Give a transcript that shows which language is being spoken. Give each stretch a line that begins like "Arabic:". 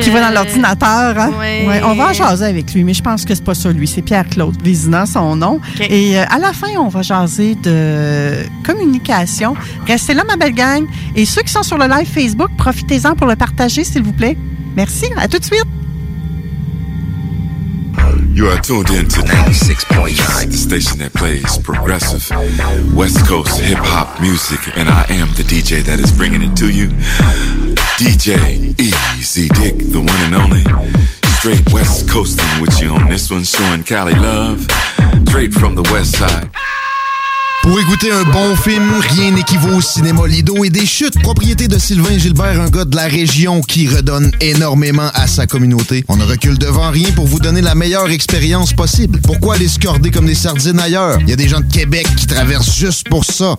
French: Qui va dans l'ordinateur, hein? Oui. Ouais, on va en jaser avec lui, mais je pense que c'est pas ça, lui. C'est Pierre-Claude Vézina, son nom. Okay. Et à la fin, on va jaser de communication. Restez là, ma belle gang. Et ceux qui sont sur le live Facebook, profitez-en pour le partager, s'il vous plaît. Merci. À tout de suite.
English: You are tuned in to 96.9, the station that plays progressive West Coast hip-hop music, and I am the DJ that is bringing it to you, DJ Easy Dick, the one and only, straight West Coasting with you on this one, showing Cali love, straight from the West Side.
French: Pour écouter un bon film, rien n'équivaut au cinéma Lido et des chutes, propriété de Sylvain Gilbert, un gars de la région qui redonne énormément à sa communauté. On ne recule devant rien pour vous donner la meilleure expérience possible. Pourquoi aller se corder comme des sardines ailleurs? Il y a des gens de Québec qui traversent juste pour ça.